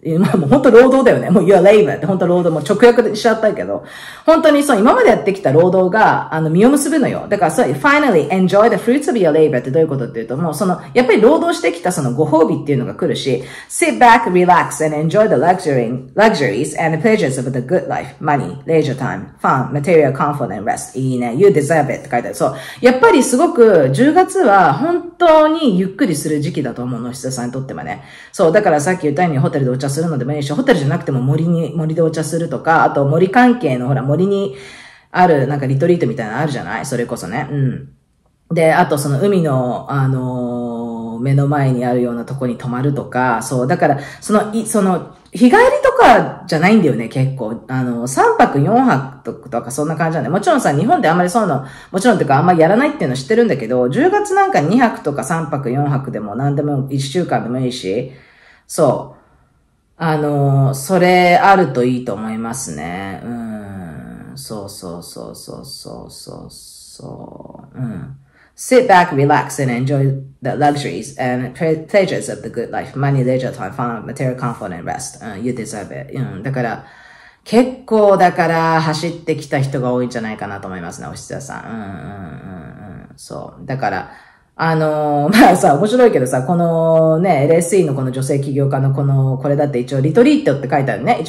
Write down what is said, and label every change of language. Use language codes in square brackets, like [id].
[ja] まあもう本当労働だよね。もう your labor って本当労働、もう直訳しちゃったけど。本当にそう、今までやってきた労働が、実を結ぶのよ。だからそう、 [en] finally enjoy the fruits of your labor [ja] ってどういうことっていうと、もうその、やっぱり労働してきたそのご褒美っていうのが来るし、 [en] sit back, relax, and enjoy the luxuries and the pleasures of the good life. Money, leisure time, fun, material comfort and rest. [ja] いいね。 [en] you deserve it [ja] って書いてある。そう。やっぱりすごく、10月は本当にゆっくりする時期だと思うの、質さんにとってもね。そう、だからさっき言ったようにホテルでお茶するのでもいいし、ホテルじゃなくても森でお茶するとか、あと森関係のほら森にあるなんかリトリートみたいなのあるじゃない、それこそね、うん。で、あとその海の目の前にあるようなとこに泊まるとか、そう、だからその日帰りとかじゃないんだよね、結構。 3泊4泊とかそんな感じなんで、もちろんさ、日本であんまりそういうの、もちろんってかあんまりやらないっていうの知ってるんだけど、10月なんか2泊とか3泊4泊でも何でも1週間でもいいし、そう。それあるといいと思いますね。そうそうそうそうそうそうそう。 [en] Sit back, relax, and enjoy the luxuries and pleasures of the good life. Money, leisure time, fun, material comfort and rest.、you deserve it.、 [ja] だから、結構だから走ってきた人が多いんじゃないかなと思いますね、お質屋さん。そう。だから、まあさ、面白いけどさ、このね、LSE のこの女性起業家のこの、これだって一応、リトリートって書いてあるね。